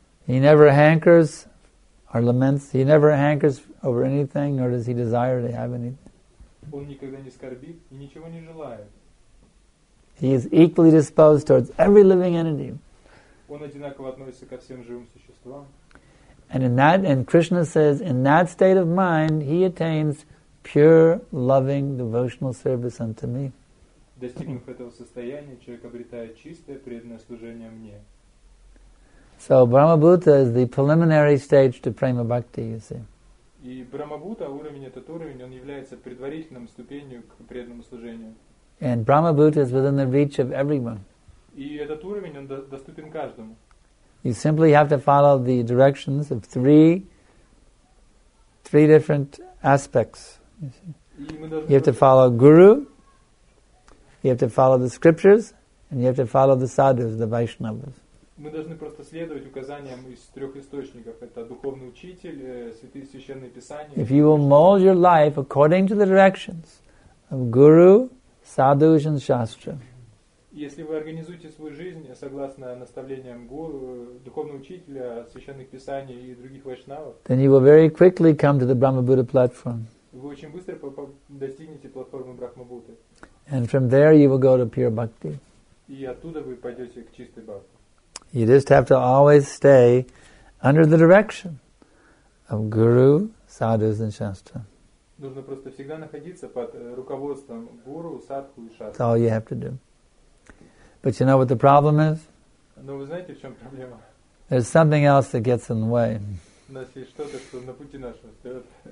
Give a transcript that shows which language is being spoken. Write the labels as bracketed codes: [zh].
[en] He never hankers or laments. He never hankers over anything, nor does he desire to have anything. [ru] Он никогда не скорбит и ничего не желает. [en] He is equally disposed towards every living entity. [ru] Он одинаково относится ко всем живым существам. [en] And Krishna says, in that state of mind, he attains pure, loving, devotional service unto me. [ru] Достигнув этого состояния, человек обретает чистое преданное служение мне. [en] So Brahma-Bhuta is the preliminary stage to Prema-Bhakti, you see. [ru] И Брахма-Бхута, уровень этот уровень, он является предварительным ступенью к преданному служению. [en] And Brahma-Bhuta is within the reach of everyone. [ru] И этот уровень, он доступен каждому. [en] You simply have to follow the directions of three different aspects. You see. You have to follow Guru, you have to follow the scriptures, and you have to follow the sadhus, the Vaishnavas. [ru] Мы должны просто следовать указаниям из трех источников. Это духовный учитель, святые священные писания. [en] If you will mold your life according to the directions of Guru, sadhus, and shastra. [ru] Если вы организуете свою жизнь согласно наставлениям гуру, духовного учителя, священных писаний и других вайшнавов, [en] then you will very quickly come to the Brahma-Buddha platform. [ru] Вы очень быстро достигнете платформы Брахма-Будды. [en] And from there you will go to pure bhakti. [ru] И оттуда вы пойдете к чистой бхакти. [en] You just have to always stay under the direction of Guru, Sadhus, and Shastra. [ru] Нужно просто всегда находиться под руководством Гуру, Садху и Шастры. [en] That's all you have to do. But you know what the problem is? [ru] Но вы знаете, в чем проблема? [en] There's something else that gets in the way. [ru] У нас есть что-то, что на пути нашего стоит.